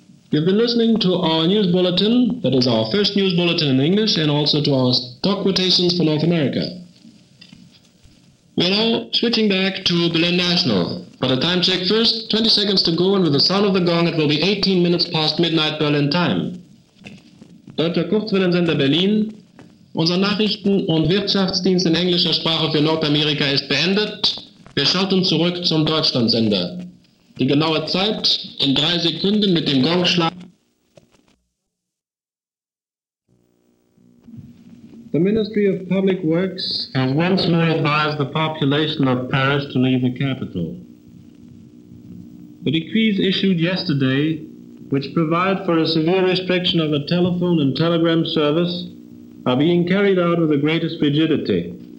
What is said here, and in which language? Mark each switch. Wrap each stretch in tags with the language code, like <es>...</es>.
<en>You've been listening to our news bulletin, that is our first news bulletin in English, and also to our stock quotations for North America. We're now switching back to Berlin National. But a time check first, 20 seconds to go, and with the sound of the gong, it will be 18 minutes past midnight Berlin time.</en> <de>Deutscher Kurzwellensender Berlin, unser Nachrichten- und Wirtschaftsdienst in englischer Sprache für Nordamerika ist beendet. Wir schalten zurück zum Deutschlandsender. Die genaue Zeit in 3 Sekunden mit dem Gongschlag.</de> <en>The Ministry of Public Works has once more advised the population of Paris to leave the capital. The decrees issued yesterday, which provide for a severe restriction of the telephone and telegram service, are being carried out with the greatest rigidity.</en>